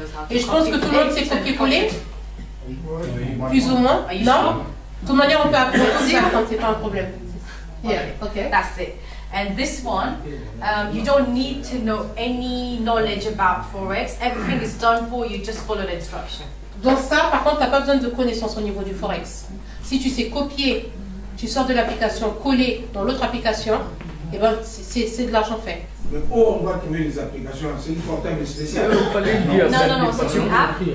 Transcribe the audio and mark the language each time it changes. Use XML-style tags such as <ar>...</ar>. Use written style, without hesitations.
<fr>Et je pense que tout le monde sait copier-coller, plus ou moins. Non? De toute manière, on peut approfondir quand c'est pas un problème.</fr> <en>Yeah. Ok. That's it. And this one, you don't need to know any knowledge about Forex. Everything is done for you. Just follow the instruction.</en> <fr>Donc ça, par contre, t'as pas besoin de connaissances au niveau du Forex. Si tu sais copier, tu sors de l'application, coller dans l'autre application, et ben c'est de l'argent fait. Mais où on va trouver les applications? C'est une portable spéciale. Non. C'est une app.</fr>